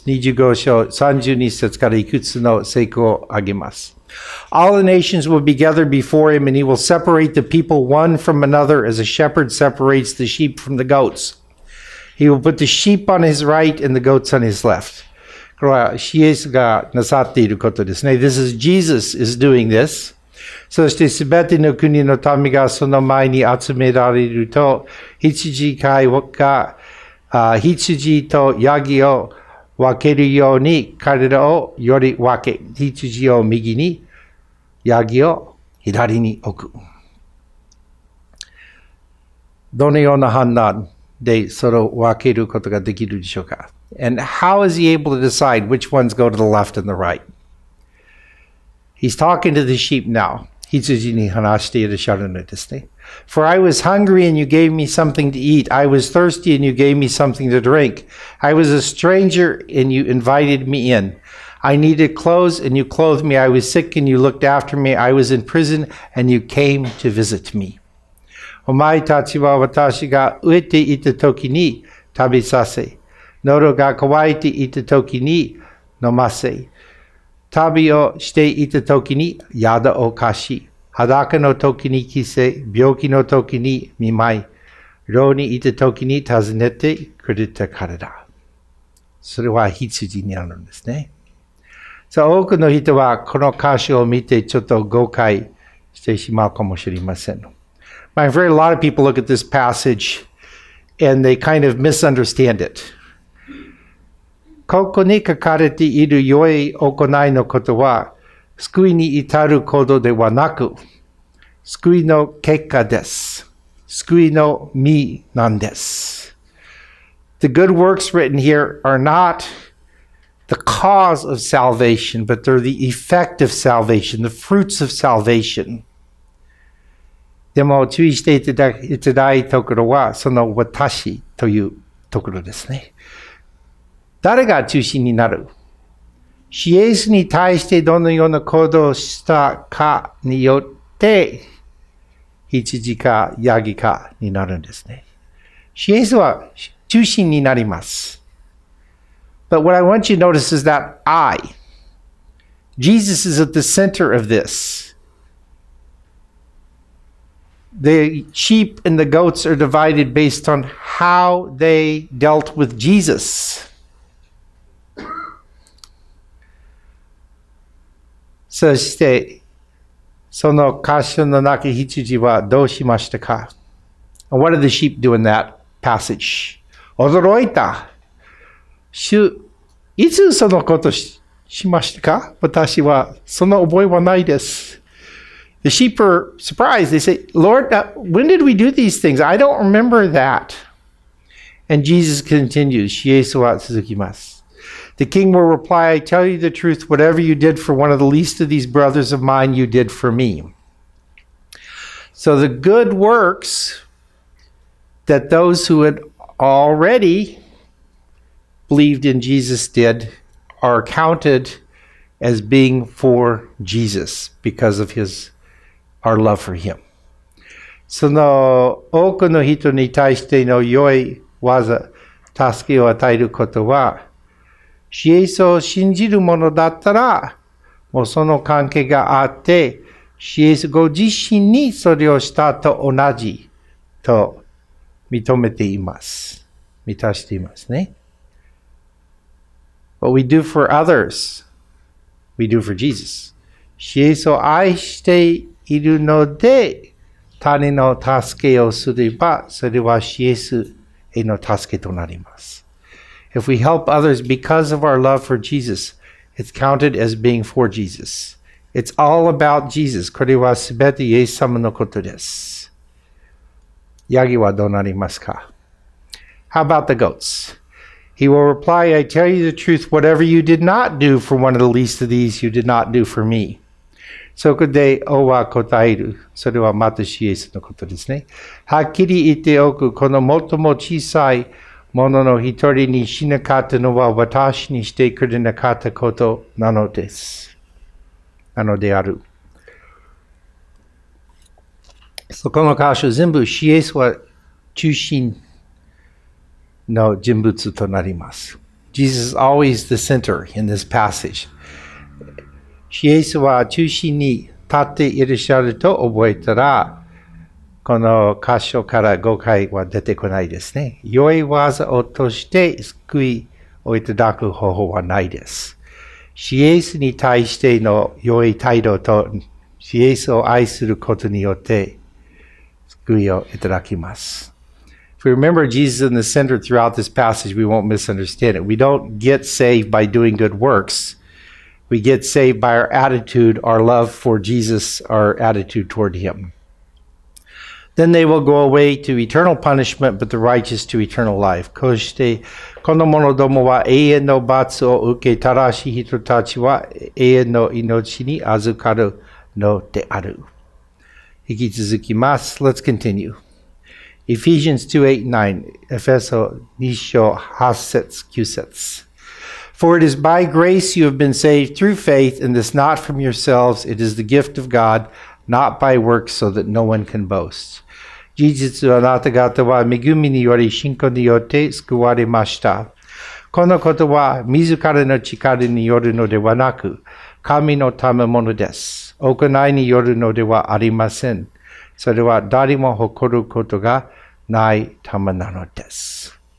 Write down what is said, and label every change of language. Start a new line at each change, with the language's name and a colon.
Japanese: 25章32節からいくつの聖句を挙げます。
English: All the nations will be gathered before him, and he will separate the people one from another as a shepherd separates the sheep from the goats. He will put the sheep on his right and the goats on his left.
Japanese: これはイエスがなさっていることですね。
English: This is Jesus is doing this.
Japanese: そしてすべての国の民がその前に集められると、羊とヤギを分けるように彼らをより分け、羊を右に、ヤギを左に置く。どのような判断でそれを分けることができるでしょうか?
English: And how is he able to decide which ones go to the left and the right? He's talking to the sheep now.
Japanese: 羊に話しているシャルネですね。
English: For I was hungry and you gave me something to eat. I was thirsty and you gave me something to drink. I was a stranger and you invited me in. I needed clothes and you clothed me. I was sick and you looked after me. I was in prison and you came to visit me.
Japanese: お前たちは私が飢えていた時に食べさせ。喉が渇いていた時に飲ませ。旅をしていた時に宿を貸し。裸の時に着せ、病気の時に見舞い、牢にいた時に尋ねてくれたからだ。それは羊になるんですね。さあ、多くの人はこの歌詞を見てちょっと誤解してしまうかもしれません。
English: My very lot of people look at this passage and they kind of misunderstand it.
Japanese: ここに書かれている良い行いのことは、救いに至る行動ではなく、救いの結果です。救いの実なんです。
English: The good works written here are not the cause of salvation, but they're the effect of salvation, the fruits of salvation.
Japanese: でも注意していただきたいところは、その私というところですね。誰が中心になる?イエスに対してどのような行動をしたかによって、羊かヤギかになるんですね。イエスは中心になります。
English: But what I want you to notice is that I, Jesus is at the center of this. The sheep and the goats are divided based on how they dealt with Jesus.
Japanese: そして、その箇所の中に羊はどうしましたか?
English: And what did the sheep do in that passage?
Japanese: 驚いた。主、いつそのことしましたか? 私はその覚えはないです。
English: The sheep are surprised. They say, Lord, when did we do these things? I don't remember that. And Jesus continues,
Japanese: イエスは続きます。
English: The king will reply, I tell you the truth, whatever you did for one of the least of these brothers of mine, you did for me. So the good works that those who had already believed in Jesus did are counted as being for Jesus because of our love for him.
Japanese: その多くの人に対しての良い技、助けを与えることは、イエスを信じるものだったら、もうその関係があって、イエスご自身にそれをしたと同じと認めています。満たしていますね。
English: What we do for others, we do for Jesus.
Japanese: イエスを愛しているので、他人の助けをすれば、それはイエスへの助けとなります。
English: If we help others because of our love for Jesus, it's counted as being for Jesus. It's all about Jesus.
Japanese: これはすべてイエス様のことです。ヤギはどうなりますか?
English: How about the goats? He will reply, I tell you the truth, whatever you did not do for one of the least of these, you did not do for me.
Japanese: そこで王は答える。それはまたイエスのことですね。はっきり言っておく、この最も小さいものの一人にしなかったのは私にしてくれなかったことなのです。なのである。そこの箇所全部シエスは中心の人物となります。
English: Jesus is always the center in this passage.
Japanese: シエスは中心に立っていらっしゃると覚えたら、この箇所から誤解は出てこないですね。良い技を通して救いをいただく方法はないです。シエスに対しての良い態度とシエスを愛することによって救いをいただきます。
English: If we remember Jesus in the center throughout this passage, we won't misunderstand it. We don't get saved by doing good works. We get saved by our attitude, our love for Jesus, our attitude toward Him. Then they will go away to eternal punishment, but the righteous to eternal life.
Japanese: こうしてこの者どもは永遠の罰を受け、正しい人たちは永遠の命に預かるのである。引き続きます。
English: Let's continue. Ephesians 2:8-9. Ephesians 2:8-9. For it is by grace you have been saved through faith, and this not from yourselves, it is the gift of God, not by works, so that no one can boast.
Japanese: 事実はあなた方は恵みにより信仰によって救われました。このことは自らの力によるのではなく、神の賜物です。行いによるのではありません。それは誰も誇ることがない賜物なのです。